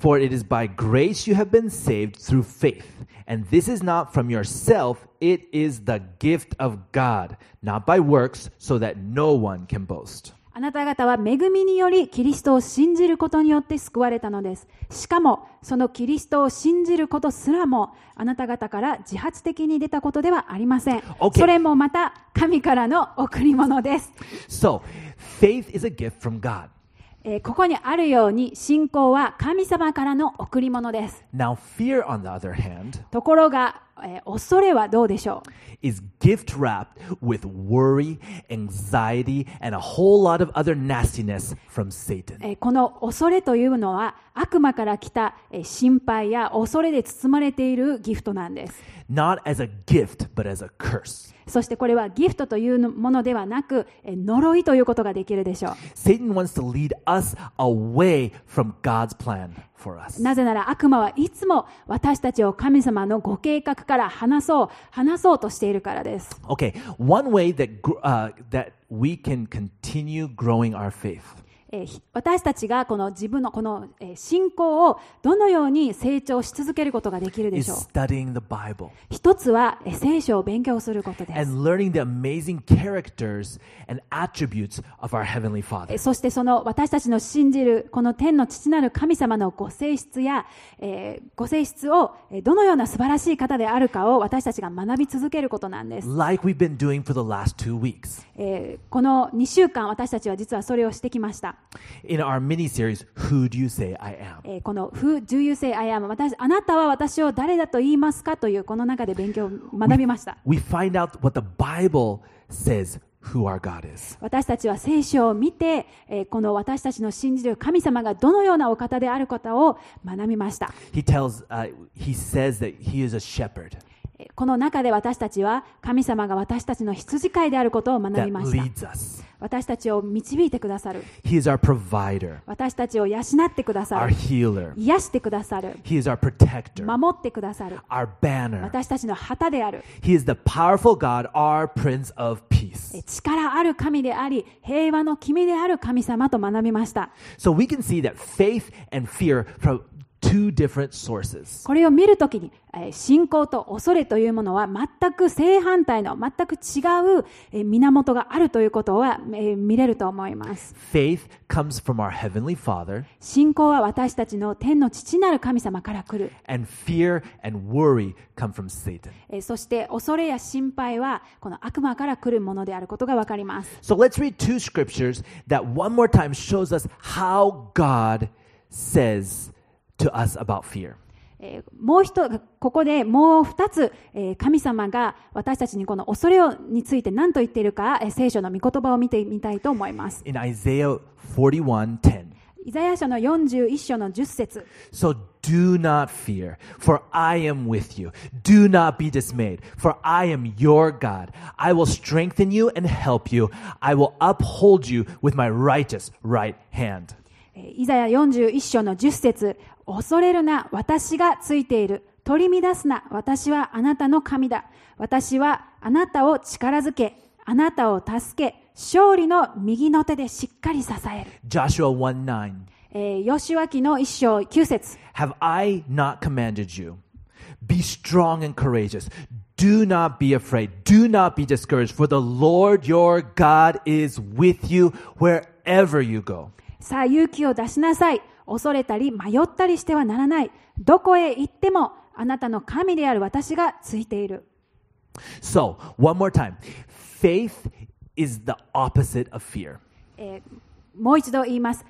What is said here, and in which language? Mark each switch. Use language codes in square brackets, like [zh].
[en] For it is by grace you have been saved through faith, and this is not from yourself, it is the gift of God, not by works, so that no one can boast. [ja] あなた方は恵みによりキリストを信じることによって救われたのです。しかもそのキリストを信じることすらもあなた方から自発的に出たことではありません。 [en] Okay. [ja] それもまた神からの贈り物です。 [en] So, faith is a gift from God. [ja] ここにあるように信仰は神様からの贈り物です。 [en] Now, fear on the other hand, [ja] ところが、恐れはどうでしょう? [en] Is gift wrapped with worry, anxiety, and a whole lot of other nastiness from Satan. [ja] この恐れというのは悪魔から来た心配や恐れで包まれているギフトなんです。 [en] Not as a gift, but as a curse. [ja] そしてこれはギフトというものではなく呪いということができるでしょう。 [en] Satan wants to lead us away from God's plan for us. [ja] なぜなら悪魔はいつも私たちを神様のご計画から離そうとしているからです。 [en] Okay, one way that, that we can continue growing our faith. [ja] 私たちがこの自分のこの信仰をどのように成長し続けることができるでしょう。 [en] Studying the Bible. [ja] 一つは聖書を勉強することです。 [en] And learning the amazing characters and attributes of our Heavenly Father. [ja] そしてその私たちの信じるこの天の父なる神様のご性質や、ご性質をどのような素晴らしい方であるかを私たちが学び続けることなんです。 [en] Like we've been doing for the last two weeks. [ja] この2週間私たちは実はそれをしてきました。 [en] In our mini series, Who Do You Say I Am? この Who Do You Say I Am? [ja] 私、あなたは私を誰だと言いますかというこの中で勉強を学びました。 [en] We find out what the Bible says who our God is. [ja] 私たちは聖書を見て、この私たちの信じる神様がどのようなお方であることを学びました。 [en] He says that he is a shepherd. [ja] この中で私たちは神様が私たちの羊飼いであることを学びました。私たちを導いてくださる。 [en] He is our provider. [ja] 私たちを養ってくださる。 [en] Our healer. [ja] 癒してくださる。 [en] He is our protector. [ja] 守ってくださる。 [en] Our banner. [ja] 私たちの旗である。 [en] He is the powerful God, our Prince of Peace. [ja] 力ある神であり、平和の君である神様と学びました。 [en] So we can see that faith and fear from two different sources. [ja] これを見るときに、信仰と恐れというものは全く正反対の全く違う源があるということは見れると思います。 [en] Faith comes from our heavenly Father. [ja] 信仰は私たちの天の父なる神様から来る。 [en] And fear and worry come from Satan. [ja] そして恐れや心配はこの悪魔から来るものであることがわかります。 [en] So let's read two scriptures that one more time shows us how God says. To us about fear. [ja] もう一つここでもう二つ神様が私たちにこの恐れについて何と言っているか聖書の御言葉を見てみたいと思います。 [en] In Isaiah 41:10. [ja] イザヤ書の41章の10節。 [en] So do not fear, for I am with you. Do not be dismayed, for I am your God. I will strengthen you and help you. I will uphold you with my righteous right hand. [ja] イザヤ41章の10節、恐れるな、私がついている。取り乱すな、私はあなたの神だ。私はあなたを力づけ、あなたを助け、勝利の右の手でしっかり支える。 [en] Joshua 1:9. [ja] ヨシュア記の1章9節。 [en] Have I not commanded you? Be strong and courageous. Do not be afraid. Do not be discouraged. For the Lord your God is with you wherever you go. [ja] さあ勇気を出しなさい。恐れたり迷ったりしてはならない。どこへ行ってもあなたの神である私がついている。 [en] So, one more time. Faith is the opposite of fear. [ja] もう一度言います。